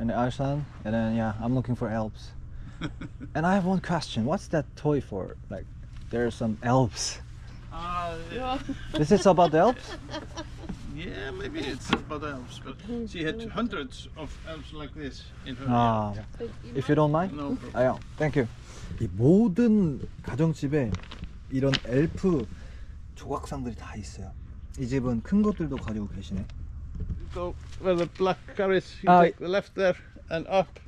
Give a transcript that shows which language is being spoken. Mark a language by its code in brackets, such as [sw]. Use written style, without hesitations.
[en] in Iceland, and then yeah, I'm looking for elves. And I have one question. What's that toy for? Like, there are some elves. Yeah. Is this about the elves? Yeah, maybe it's about the elves. But she had hundreds of elves like this in her. Ah, if you don't mind. No problem. Yeah, thank you. [ko] 이 모든 가정집에 이런 엘프 조각상들이 다 있어요. 이 집은 큰 것들도 가지고 계시네. [en] So where the black car is, you take the left there and up.